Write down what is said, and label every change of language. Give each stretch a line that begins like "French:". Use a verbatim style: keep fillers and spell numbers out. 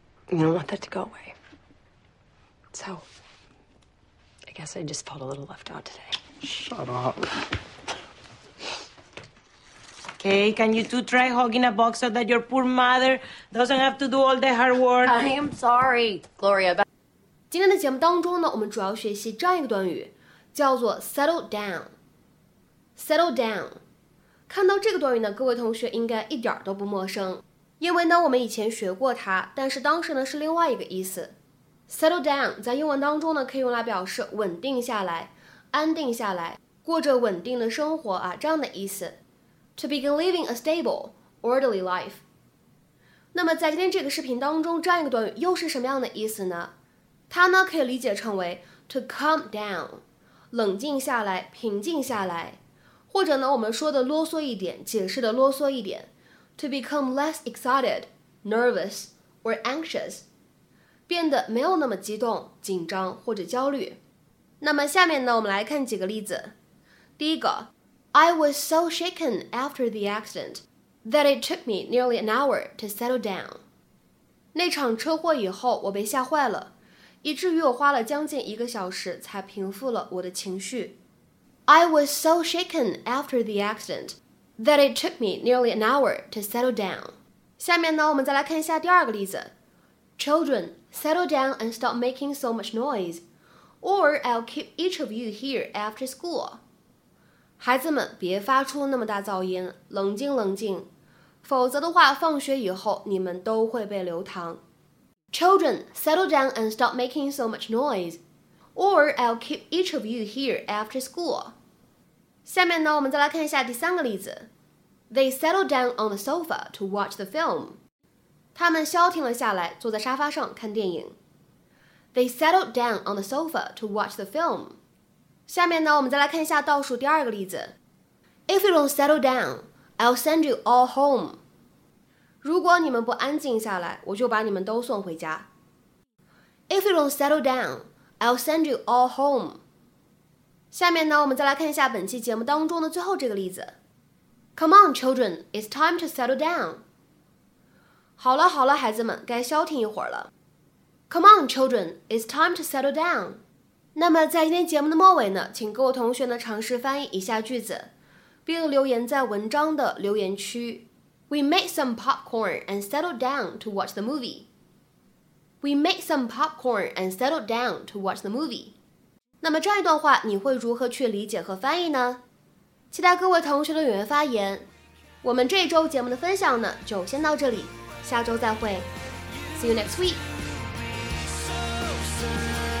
English: You don't want that to go away. So, I guess I just felt a little left out today. Shut up. Okay, can you two try hugging a box so that your poor mother doesn't have to do all the hard work? I am sorry, Gloria. But...
Chinese: 今天的节目当中呢，我们主要学习这样一个短语，叫做 settle down.
English: Settle down.
Chinese: 看到这个短语呢，各位同学应该一点都不陌生，因为呢，我们以前学过它，但是当时呢是另外一个意思。 Settle down 在英文当中呢，可以用来表示稳定下来、安定下来、过着稳定的生活啊，这样的意思。
English: To begin living a stable, orderly life.
Chinese: 那么在今天这个视频当中，这样一个短语又是什么样的意思呢？它呢可以理解成为
English: to calm down，
Chinese: 冷静下来，平静下来，或者呢我们说的啰嗦一点，解释的啰嗦一点 ，
English: to become less excited, nervous or anxious，
Chinese: 变得没有那么激动、紧张或者焦虑。那么下面呢我们来看几个例子。第一个。
English: I was so shaken after the accident that it took me nearly an hour to settle down.
Chinese: 那场车祸以后，我被吓坏了，以至于我花了将近一个小时才平复了我的情绪。
English: I was so shaken after the accident that it took me nearly an hour to settle down.
Chinese: 下面呢，我们再来看一下第二个例子。
English: Children, settle down and stop making so much noise, or I'll keep each of you here after school.
Chinese: 孩子们别发出那么大噪音，冷静冷静，否则的话放学以后你们都会被留堂。
English: Children, settle down and stop making so much noise, or I'll keep each of you here after school.
Chinese: 下面呢我们再来看一下第三个例子。
English: They settled down on the sofa to watch the film.
Chinese: 他们消停了下来，坐在沙发上看电影。
English: They settled down on the sofa to watch the film.
Chinese: 下面呢，我们再来看一下倒数第二个例子。
English: If you don't settle down, I'll send you all home.
Chinese: 如果你们不安静下来，我就把你们都送回家。
English: If you don't settle down, I'll send you all home.
Chinese: 下面呢，我们再来看一下本期节目当中的最后这个例子。
English: Come on, children, it's time to settle down.
Chinese: 好了好了，孩子们，该消停一会儿了。
English: Come on, children, it's time to settle down.
Chinese: 那么在今天节目的末尾呢，请各位同学呢尝试翻译以下句子，并留言在文章的留言区。
English: We made some popcorn and settled down to watch the movie. We made some popcorn and settled down to watch the movie.
Chinese: 那么这样一段话你会如何去理解和翻译呢？期待各位同学的踊跃发言。我们这周节目的分享呢，就先到这里，下周再会。
English: See you next week.